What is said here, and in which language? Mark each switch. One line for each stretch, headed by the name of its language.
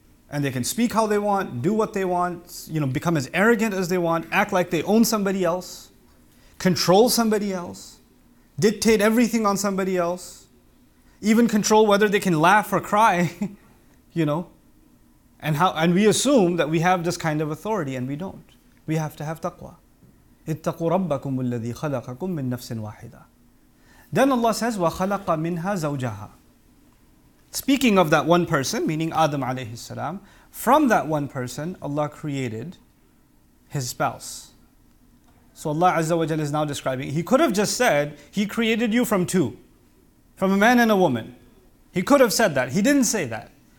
English: and they can speak how they want, do what they want, you know, become as arrogant as they want, act like they own somebody else, control somebody else, dictate everything on somebody else, even control whether they can laugh or cry, you know. And we assume that we have this kind of authority, and we don't. We have to have taqwa.
Arabic: اتقوا ربكم الذي خلقكم من نفس واحدة.
English: Then Allah says,
Arabic: وَخَلَقَ مِنْهَا زَوْجَهَا.
English: Speaking of that one person, meaning Adam alayhi salam, from that one person, Allah created his spouse. So Allah Azza wa Jalla is now describing, He could have just said, He created you from two, from a man and a woman. He could have said that. He didn't say that.